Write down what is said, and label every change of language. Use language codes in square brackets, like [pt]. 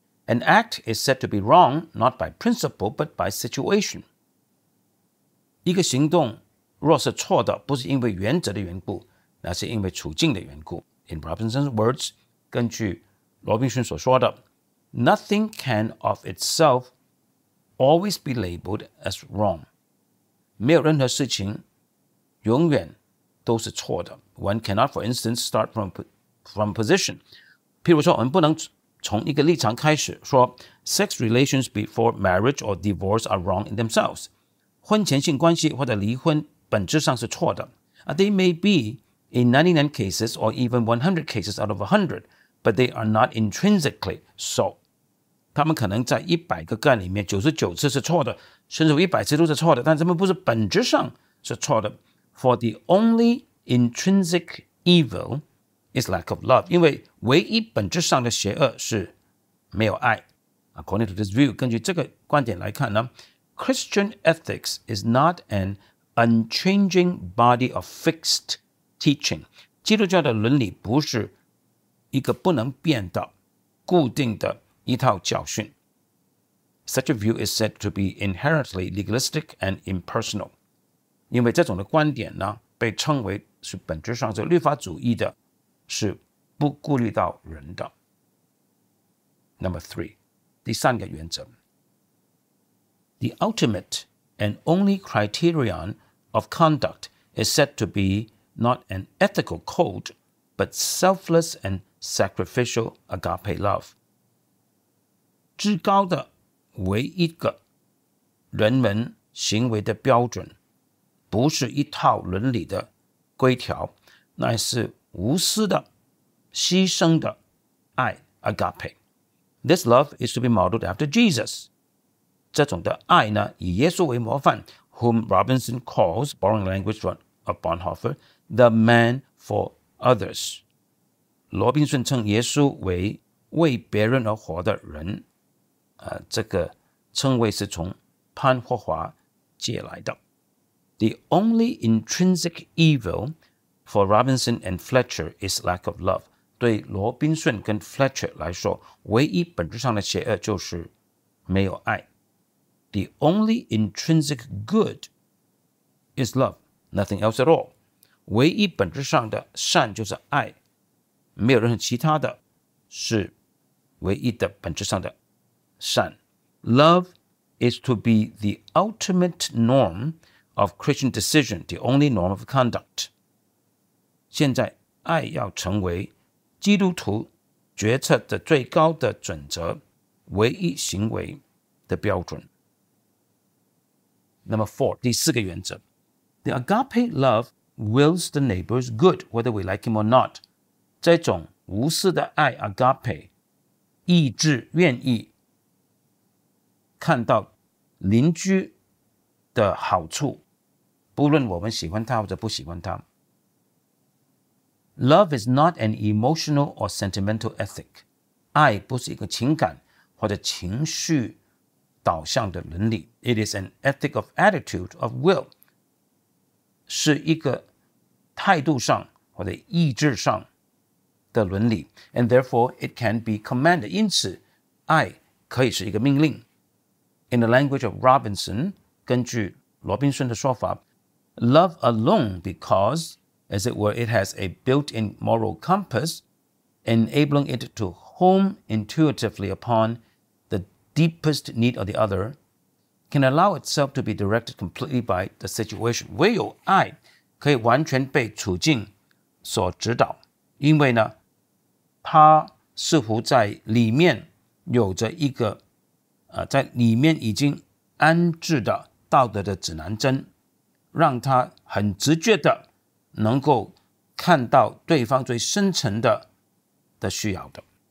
[en] An act is said to be wrong not by principle but by situation。 [zh] 一个行动若是错的，不是因为原则的缘故，那是因为处境的缘故。 [en] In Robinson's words， [zh] 根据罗宾逊所说的， [en] Nothing can of itself always be labeled as wrong， [zh] 没有任何事情永远都是错的。 [en] One cannot for instance start from position， [zh] 譬如说我们不能从一个立场开始说 [en] Sex relations before marriage or divorce are wrong in themselves， [zh] 婚前性关系或者离婚本质上是错的。 [en] They may beIn 99 cases or even 100 cases out of 100, but they are not intrinsically so. [zh] 他们可能在100个干里面99次是错的，甚至100次都是错的，但他们不是本质上是错的。 [en] For the only intrinsic evil is lack of love. [zh] 因为唯一本质上的邪恶是没有爱。 [en] According to this view, [zh] 根据这个观点来看呢， [en] Christian ethics is not an unchanging body of fixed teaching， [zh] 基督教的伦理不是一个不能变的固定的一套教训。 [en] Such a view is said to be inherently legalistic and impersonal， [zh] 因为这种的观点呢被称为是本质上是律法主义的，是不顾虑到人的。 [en] Number three， [zh] 第三个原则， [en] The ultimate and only criterion of conduct is said to beNot an ethical code, but selfless and sacrificial agape love. [zh] 至高的唯一个人们行为的标准，不是一套伦理的规条，乃是无私的、牺牲的爱 agape. [en] This love is to be modeled after Jesus. [zh] 这种的爱呢，以耶稣为模范， [en] whom Robinson calls, borrowing language from Bonhoeffer,The man for others. [zh] 罗宾逊称耶稣为为别人而活的人，这个称谓是从潘霍华借来的。 [en] The only intrinsic evil for Robinson and Fletcher is lack of love. [zh] 对罗宾逊跟 Fletcher 来说，唯一本质上的邪恶就是没有爱。 [en] The only intrinsic good is love, nothing else at all. [zh] 唯一本质上的善就是爱，没有任何其他的，是唯一的本质上的善。 [en] Love is to be the ultimate norm of Christian decision, the only norm of conduct. [zh] 现在爱要成为基督徒决策的最高的准则，唯一行为的标准。 [en] Number four, [zh] 第四个原则， [en] The agape love. Wills the neighbor's good, whether we like him or not. [zh] 这种无私的爱 agape, 意志愿意看到邻居的好处，不论我们喜欢他或者不喜欢他。 [en] Love is not an emotional or sentimental ethic. [zh] 爱不是一个情感或者情绪导向的伦理。 [en] It is an ethic of attitude of will. [zh] 是一个态度上或者意志上的伦理。 [en] And therefore it can be commanded， [zh] 因此爱可以是一个命令。 [en] In the language of Robinson， [zh] 根据罗宾逊的说法， [en] Love alone because as it were it has a built-in moral compass enabling it to home intuitively upon the deepest need of the other can allow itself to be directed completely by the situation。 [zh] 唯有爱可以完全被处境所指导，因为呢，他似乎在里面有着一个在里面已经安置的道德的指南针，让他很直觉的能够看到对方最深层的需要的。